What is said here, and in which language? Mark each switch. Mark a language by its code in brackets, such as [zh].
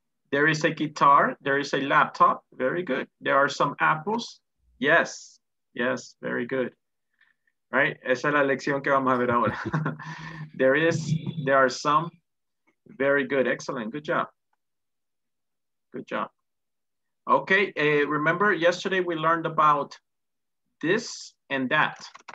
[en] There is a guitar, there is a laptop, very good. There are some apples, yes, very good. Right, [es] esa es la lección que vamos a ver ahora. [en] there are some, very good, excellent, good job. Okay, remember yesterday we learned about this and that.